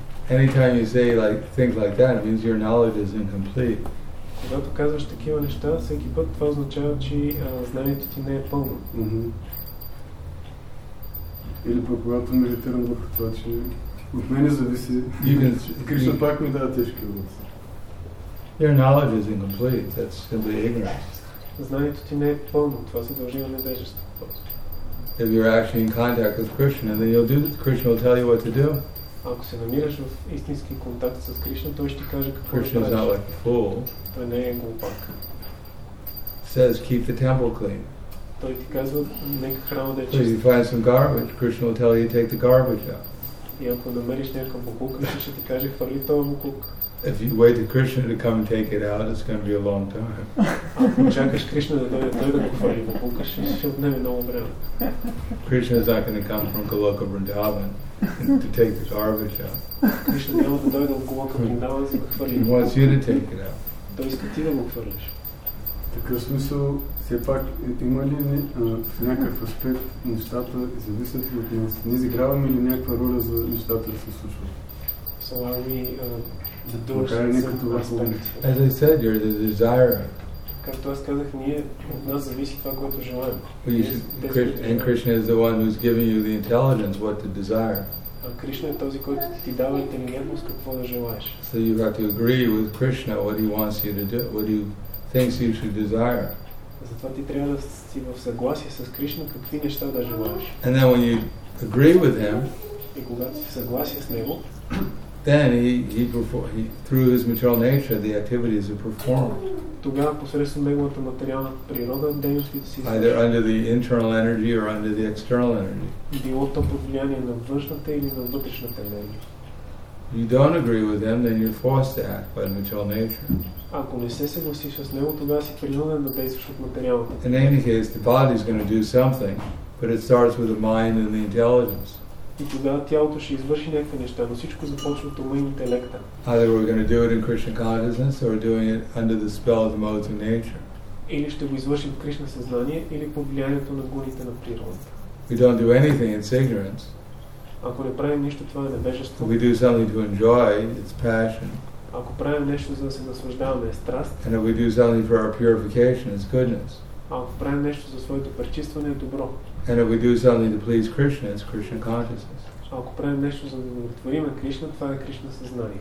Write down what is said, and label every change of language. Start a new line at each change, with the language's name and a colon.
English: Anytime you say like, things like that, it means your knowledge is incomplete.
Bulgarian: Когато казваш такива неща, всеки път това означава, че знанието ти не е пълно. Mm-hmm. Или пък когато медитирам върху това, че от мене зависи, Кришна пак ми дава тежки уроци.
English: Your knowledge is incomplete, that's simply ignorance.
Bulgarian: Знанието ти не е пълно, това се дължи на невежество.
English: If you're actually in contact with Krishna, then you'll do it. Krishna will tell you what to do.
Bulgarian: Ако се намираш в истински контакт с Кришна, той ще ти каже какво правиш.
English: Krishna is not like a fool.
Bulgarian: Той не е глупак.
English: Says keep the temple clean.
Bulgarian: Той ти казва нека храма да е чист.
English: So if you find some garbage, Krishna will tell you take the garbage out.
Bulgarian: И ако намериш някакъв буклук, ще ти каже хвърли този буклук.
English: If you wait for Krishna to come and take it out, it's going to be a long time.
Bulgarian: Ако чакаш Кришна да дойде, той да го хвърли буклука, ще отнеме много време.
English: Krishna is not going to come from Goloka Vrindavan to take the garbage out.
Bulgarian: Кришна няма да дойде от Goloka Vrindavan, за да хвърли.
English: He wants you to take it out.
Bulgarian: Той иска ти да го хвърлиш. Такъв смисъл, все пак, има ли в някакъв аспект нещата, зависят ли от нас? Не изиграваме ли някаква роля за нещата да се случват?
English: So are we the doers of aspect? As I said, you're the desire.
Bulgarian: Както аз казах, ние от нас зависи това, което желаем.
English: And Krishna is the one who's giving you the intelligence, what to desire.
Bulgarian: А Кришна е този, който ти дава интелигентност, какво да желаеш.
English: So you got to agree with Krishna what he wants you to do, what you things you should desire.
Bulgarian: Затова ти трябва да си в съгласие с Кришна какви неща да желаеш.
English: And then when you agree with him,
Bulgarian: и когато си в съгласие с него,
English: then he through his material nature the activities are performed.
Bulgarian: Тогава посредством неговата материална природа дейностите си.
English: Either under the internal energy or under the external energy.
Bulgarian: Било то под влияние на външната или на вътрешната енергия.
English: You don't agree with them, then you're forced to act by material nature.
Bulgarian: Ако не се съгласиш с него, тогава си принуден да действаш от материалната.
English: In any case, the body is going to do something, but it starts with the mind and the intelligence.
Bulgarian: И тогава тялото ще извърши някакви неща, но всичко започва от ума и интелекта.
English: Either we're going to do it in Krishna consciousness, or doing it under the spell of the modes of nature.
Bulgarian: Или ще го извършим в Кришна съзнание, или по влиянието на гуните на природата.
English: We don't do anything, it's ignorance.
Bulgarian: Ако не правим нищо, това е невежество.
English: If we do something to enjoy, it's passion.
Bulgarian: Ако правим нещо, за да се наслаждаваме, е страст.
English: And if we do something for our purification, it's goodness.
Bulgarian: Ако правим нещо за своето пречистване, е добро.
English: And if we do something to please Krishna, it's Krishna consciousness.
Bulgarian: Ако правим нещо, за да удовлетворим Кришна, това е Кришна съзнание.